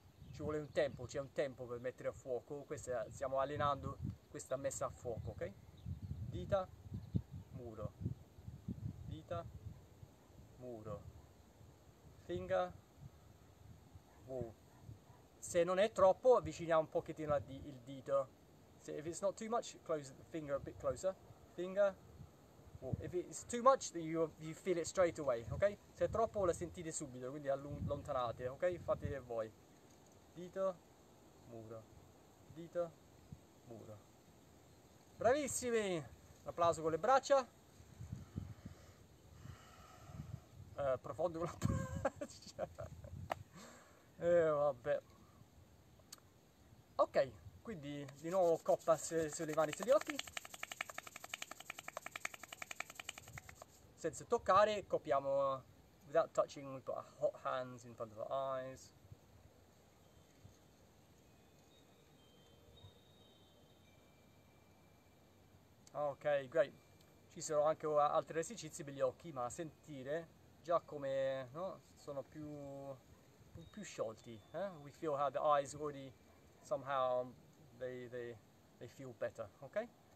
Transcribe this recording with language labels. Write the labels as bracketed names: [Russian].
[Italian] Ci vuole un tempo, c'è un tempo per mettere a fuoco. Questa, stiamo allenando questa messa a fuoco, ok? Dita, muro. Dita. Muro, [English] finger, wall. [Italian] Se non è troppo, avviciniamo un pochettino il dito. [English] So if it's not too much, close the finger a bit closer. Finger, wall. If it's too much, then you feel it straight away, ok? [Italian] Se è troppo, la sentite subito, quindi allontanate, ok? Fate voi. Dito, muro. Dito, muro. Bravissimi! Un applauso con le braccia. Profondo con la pancia. Vabbè. Ok, quindi di nuovo coppa sulle mani e sugli occhi. Senza toccare, copiamo [English] without touching, we've got hot hands in front of our eyes. Ok, great. [Italian] Ci sono anche altri esercizi per gli occhi, ma sentire già come, no? Sono più sciolti, eh? [English] We feel how the eyes already somehow they feel better, ok?